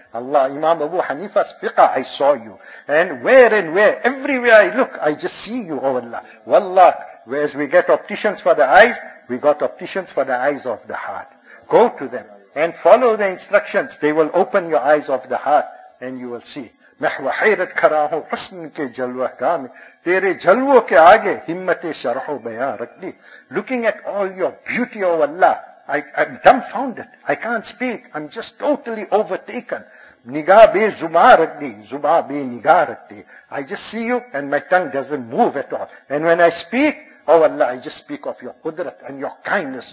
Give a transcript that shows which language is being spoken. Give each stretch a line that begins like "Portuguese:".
English: Allah, Imam Abu Hanifa's fiqah, I saw you. And where and where, everywhere I look, I just see you, O Allah. Wallah, whereas we get opticians for the eyes, we got opticians for the eyes of the heart. Go to them and follow the instructions. They will open your eyes of the heart and you will see.
Urdu: محو حیرت کھرا ہوں حسن کے جلوہ گاہ میں تیرے جلووں کے آگے ہمت شرح و بیان رکھ دی.
English: Looking at all your beauty, O Allah, I'm dumbfounded. I can't speak. I'm just totally overtaken.
Urdu: نگاہ بے زباں رکھ دی, زباں بے نگاہ رکھ دی.
English: I just see you and my tongue doesn't move at all. And when I speak, O Allah, I just speak of your قدرت and your kindness.